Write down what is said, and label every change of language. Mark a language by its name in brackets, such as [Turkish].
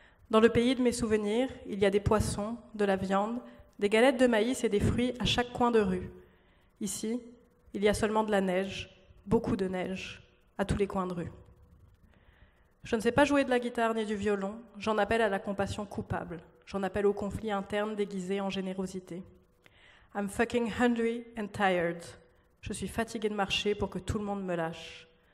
[French] Dans le pays de mes souvenirs, il y a des poissons, de la viande, des galettes de maïs et des fruits à chaque coin de rue. Ici, il y a seulement de la neige, beaucoup de neige, à tous les coins de rue. Je ne sais pas jouer de la guitare ni du violon. J'en appelle à la compassion coupable. J'en appelle au conflit interne déguisé en générosité. [English] I'm fucking hungry and tired. [French] Je suis fatiguée de marcher pour que tout le monde me lâche.